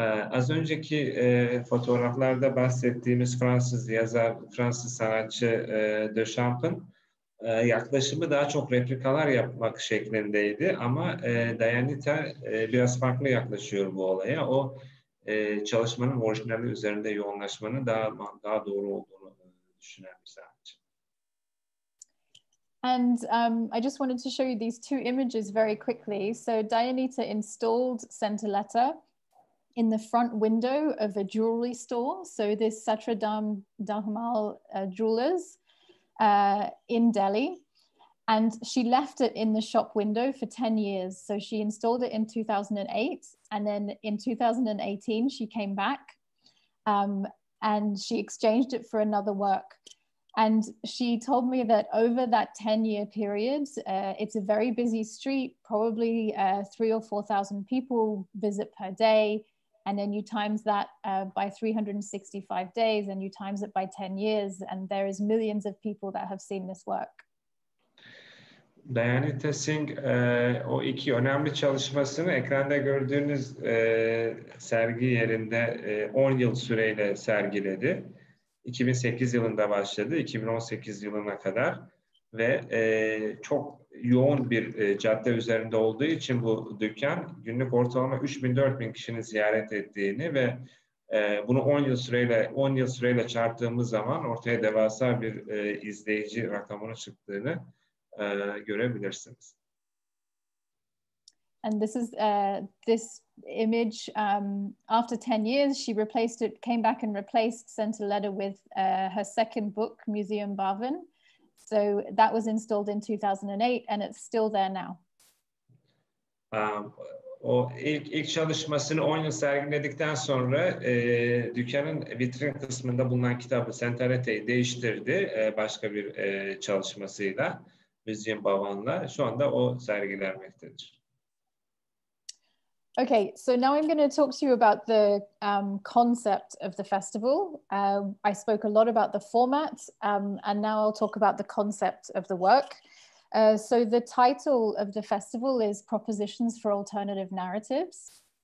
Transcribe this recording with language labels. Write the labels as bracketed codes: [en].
[tr] Az önceki fotoğraflarda bahsettiğimiz Fransız yazar, Fransız sanatçı Duchamp'ın yaklaşımı daha çok replikalar yapmak şeklindeydi. Ama Dianita biraz farklı yaklaşıyor bu olaya. O çalışmanın orijinali üzerinde yoğunlaşmanın daha doğru olduğunu düşünen bir sanatçı. [en] And I just wanted to show you these two images very quickly. So Dianita installed Send a Letter in the front window of a jewelry store. So this Satra Dahmal Jewelers in Delhi. And she left it in the shop window for 10 years. So she installed it in 2008. And then in 2018, she came back and she exchanged it for another work. And she told me that over that 10-year period, it's a very busy street, probably 3,000 or 4,000 people visit per day. And then you times that by 365 days and you times it by 10 years. And there is millions of people that have seen this work. [tr] Diane Tessing o iki önemli çalışmasını ekranda gördüğünüz sergi yerinde 10 yıl süreyle sergiledi. 2008 yılında başladı, 2018 yılına kadar. Ve çok yoğun bir cadde üzerinde olduğu için bu dükkan günlük ortalama 3000-4000 kişinin ziyaret ettiğini ve bunu 10 yıl süreyle çarptığımız zaman ortaya devasa bir izleyici rakamının çıktığını görebilirsiniz. [en] And this is this image after 10 years she replaced it, came back and replaced Sent a Letter with her second book Museum Bavin. So that was installed in 2008 and it's still there now. [tr] O ilk çalışmasını 10 yıl sergiledikten sonra dükkanın vitrin kısmında bulunan kitabı Sent a Letter'ı değiştirdi başka bir çalışmasıyla. Müzeyim Bavan'la şu anda o sergilenmektedir. [en] Okay, so now I'm going to talk to you about the concept of the festival. I spoke a lot about the format, and now I'll talk about the concept of the work. So the title of the festival is Propositions for Alternative Narratives.